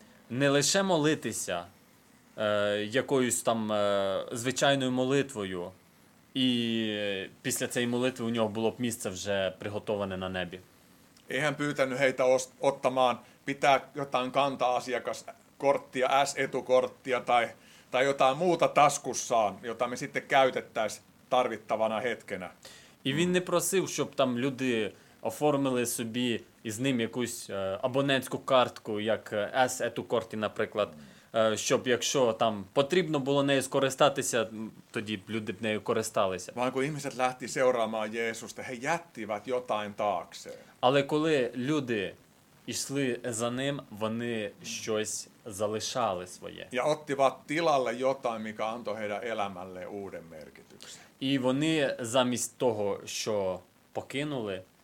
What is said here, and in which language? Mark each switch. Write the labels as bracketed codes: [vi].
[uk] Не лише молитися якоюсь там звичайною молитвою, і після цієї молитви у нього було б місце вже приготоване на небі. [fi] Ei hän pyytänyt heitä ottamaan, pitää jotain kanta-asiakas korttia, S-etukorttia tai jotain muuta taskussaan, jota me sitten käytettäisiin tarvittavana hetkenä. [uk] І він не просив, щоб там люди оформили собі із ним якусь абонентську картку, як S-etukortti, наприклад, щоб якщо там потрібно було нею скористатися, тоді б люди б нею користалися. [fi] Vaan kun ihmiset lähti seuraamaan Jeesusta, he jättivät jotain taakse. [uk] Але коли люди йшли за ним, вони щось залишали своє. [fi] Ja ottivat tilalle jotain, mikä antoi heidän elämälle uuden merkityksen. [uk] І вони замість того, що покинули,